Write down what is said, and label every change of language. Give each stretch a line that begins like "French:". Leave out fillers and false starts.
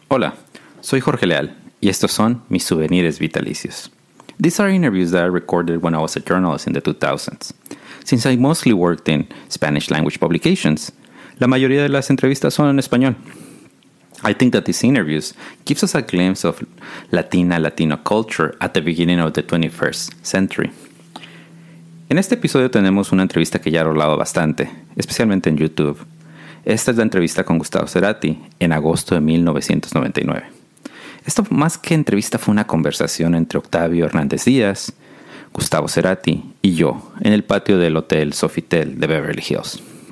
Spanish: Hola, soy Jorge Leal, y estos son mis souvenirs vitalicios.
English: These are interviews that I recorded when I was a journalist in the 2000s. Since I mostly worked in Spanish language publications,
Spanish: la mayoría de las entrevistas son en español.
English: I think that these interviews gives us a glimpse of Latino culture at the beginning of the 21st century.
Spanish: En este episodio tenemos una entrevista que ya ha rolado bastante, especialmente en YouTube. Esta es la entrevista con Gustavo Cerati en agosto de 1999. Esto más que entrevista fue una conversación entre Octavio Hernández Díaz, Gustavo Cerati y yo en el patio del hotel Sofitel de Beverly Hills.